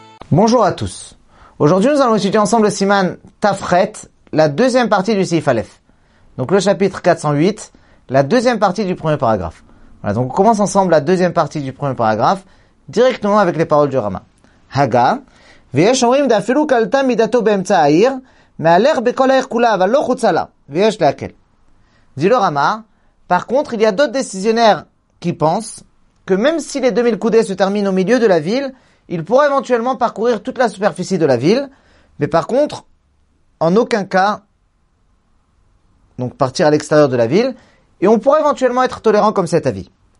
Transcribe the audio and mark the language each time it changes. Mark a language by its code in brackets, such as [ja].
[fr] Bonjour à tous. Aujourd'hui, nous allons étudier ensemble le Siman Tafret, la deuxième partie du Seif Aleph. Donc le chapitre 408, la deuxième partie du premier paragraphe. Voilà, donc on commence ensemble la deuxième partie du premier paragraphe, directement avec les paroles du Rama. [he] Haga, ויש אומרים דאפילו קלטה מידתו באמצע העיר, מהלך בכל העיר כולה, אבל לא חוצה לה, ויש להקל. [fr] Dit le Rama, par contre, il y a d'autres décisionnaires qui pensent que même si les 2000 coudées se terminent au milieu de la ville, il pourra éventuellement parcourir toute la superficie de la ville, mais par contre, en aucun cas, donc partir à l'extérieur de la ville, et on pourra éventuellement être tolérant comme cet avis.